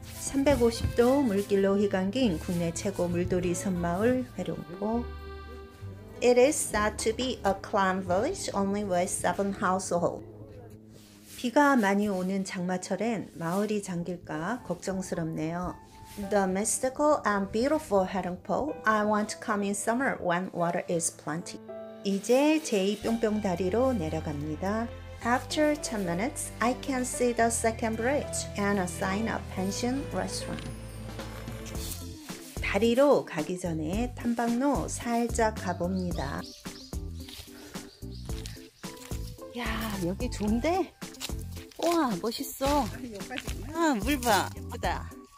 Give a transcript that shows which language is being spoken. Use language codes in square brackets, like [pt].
[ko] 350도 물길로 휘감긴 국내 최고 물돌이 섬마을 회룡포. [en] It is said to be a clan village only with 7 households. [ko] 비가 많이 오는 장마철엔 마을이 잠길까 걱정스럽네요. [en] The mystical and beautiful Haeryongpo. I want to come in summer when water is plenty. [ko] 이제 제2뿅뿅다리로 내려갑니다. [en] After 10 minutes, I can see the second bridge and a sign of pension restaurant. [ko] 다리로 가기 전에 탐방로 살짝 가봅니다. 야, 여기 좋은데? 우와, 멋있어. 아, 물 봐. 예쁘다.